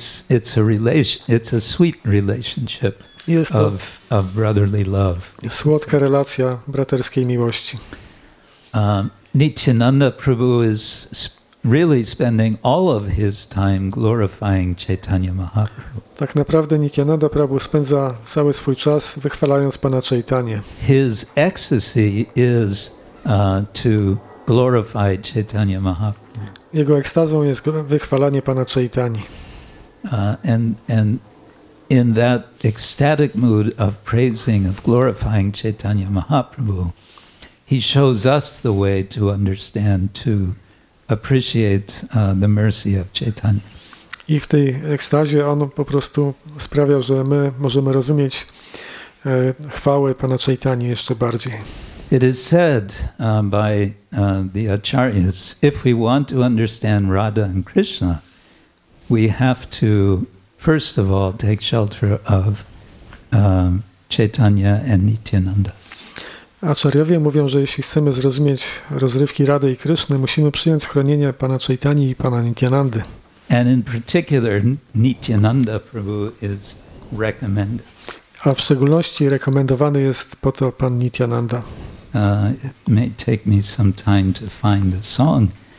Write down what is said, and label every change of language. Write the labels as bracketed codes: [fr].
[en] It's a relation, it's a sweet relationship of brotherly love. [pl] Słodka relacja braterskiej miłości. [en] Nityananda Prabhu is really spending all of his time glorifying Chaitanya Mahaprabhu. [pl] Tak naprawdę Nityananda Prabhu spędza cały swój czas wychwalając Pana Chaitanya. [en] His ecstasy is to glorify Chaitanya Mahaprabhu. [pl] Jego ekstazą jest wychwalanie Pana Chaitanya. [en] And in that ecstatic mood of praising, of glorifying Chaitanya Mahaprabhu, he shows us the way to understand, to appreciate the mercy of Chaitanya. [pl] I w tej ekstazie on po prostu sprawia, że my możemy rozumieć chwałę Pana Chaitanya jeszcze bardziej. [en] It is said by the Acharyas, if we want to understand Radha and Krishna, we have to first of all take shelter of Chaitanya and Nityananda. [pl] Acharyowie mówią, że jeśli chcemy zrozumieć rozrywki Rady i Kryszny, musimy przyjąć chronienie Pana Chaitanya i Pana Nityanandy. [en] And in particular, Nityananda Prabhu is recommended. [pl] A w szczególności rekomendowany jest po to Pan Nityananda. [en] It may take me some time to find the song.